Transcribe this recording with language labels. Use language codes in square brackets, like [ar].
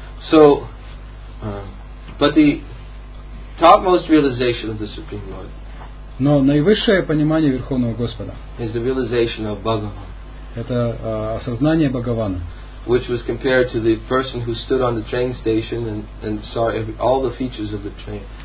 [en] So, but the topmost realization of the Supreme Lord. [ru] Но наивысшее понимание Верховного Господа. [en] Is the realization of Bhagavan. [ru] Это осознание Бхагавана. [en] Which was compared to the person who stood on the train station and saw all the features of the train.